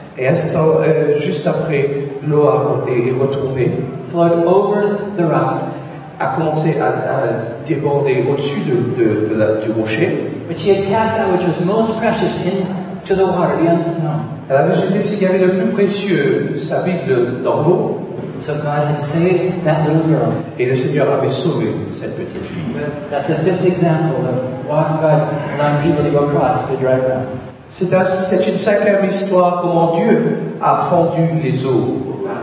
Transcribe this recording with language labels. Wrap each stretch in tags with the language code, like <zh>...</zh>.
<fr>Et juste après, l'eau est retournée.</fr> <en>Flood over the rock.</en> <fr>A commencé à déborder au-dessus du rocher.</fr> <en>But she had cast that which was most precious into the water, beyond the snow.</en> <fr>Elle avait jeté ce qu'il y avait de plus précieux, sa Bible, dans l'eau.</fr> <en>So God had saved that little girl.</en> <fr>Et le Seigneur avait sauvé cette petite fille.</fr> <en>That's a fifth example of why God allowed people to go across the dry ground.</en> <fr>C'est une cinquième histoire comment Dieu a fendu les eaux.</fr>